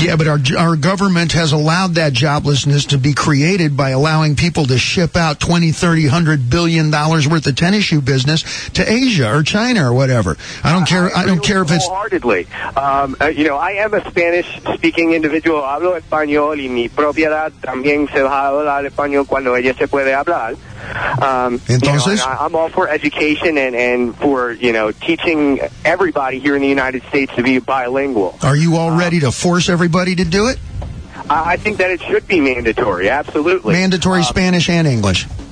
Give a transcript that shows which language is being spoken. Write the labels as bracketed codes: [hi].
[en] Yeah, but our government has allowed that joblessness to be created by allowing people to ship out $20-100 billion worth of tennis shoe business to Asia or China or whatever. I don't care. I don't care if it's wholeheartedly. You know, I am a Spanish speaking individual. [es] Hablo español y mi propiedad también se va. Entonces, [en] you know, I'm all for education and for, you know, teaching everybody here in the United States to be bilingual. Are you all ready to force everybody to do it? I think that it should be mandatory, absolutely. Mandatory Spanish and English.